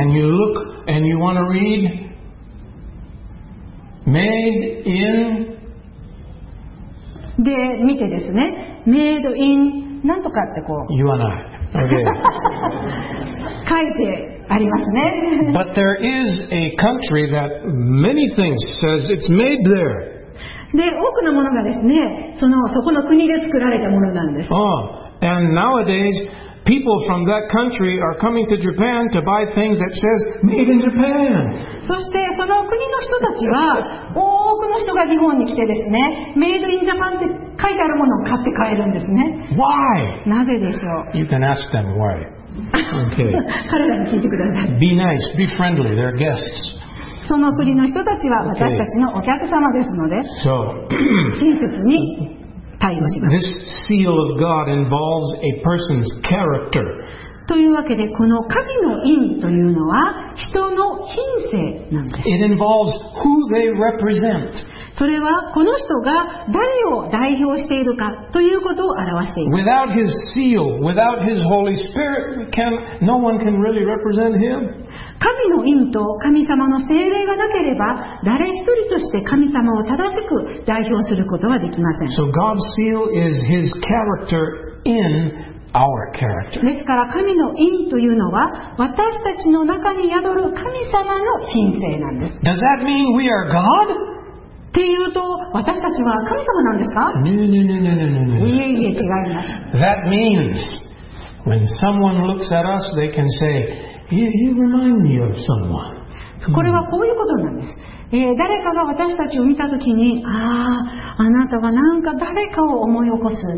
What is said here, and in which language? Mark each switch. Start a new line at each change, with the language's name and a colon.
English: And you look and you want to read made in
Japanese: で見てですね
English: made in
Japanese: なんとかってこう言わない。
English: Okay.
Japanese: 書いてありますね。
English: But there is a country that many things says it's made there.
Japanese: で多くのものがですね、そこの国で作られたものなんです。
English: Oh, and nowadays, people from that country are coming to Japan to buy things that says made in Japan.
Japanese: そしてその国の人たちは多くの人が日本に来てですね、
English: made in Japan
Japanese: って書いてあるものを買って帰るんですね。
English: Why?
Japanese: なぜでしょう。
English: You can ask them why. Okay.
Japanese: 彼らに聞いてください。
English: Be nice, be friendly. They're guests.
Japanese: その国の人たちは私たちのお客様ですので、親切に対応します。
English: This seal of God involves a person's character.
Japanese: というわけで、この神の印というのは人の品性なんです。
English: It involves who they represent.
Japanese: それはこの人が誰を代表しているかということを表しています。
English: Without his seal, without his Holy Spirit, no one can really represent him.
Japanese: 神の印と神様の聖霊がなければ誰一人として神様を正しく代表することはできません。
English: So God's seal is His character in our character.
Japanese: ですから神の印というのは私たちの中に宿る神様の品性なんです。
English: Does that mean we are God?
Japanese: っていうと私たちは神様なんですか？
English: No, no, no, no, no, no, no.
Japanese: いえいえ違います。
English: That means when someone looks at us, they can say, remind me of someone.
Japanese: これはこういうことなんです。誰かが私たちを見たときに、ああ、あなたはなんか誰かを思い起こす。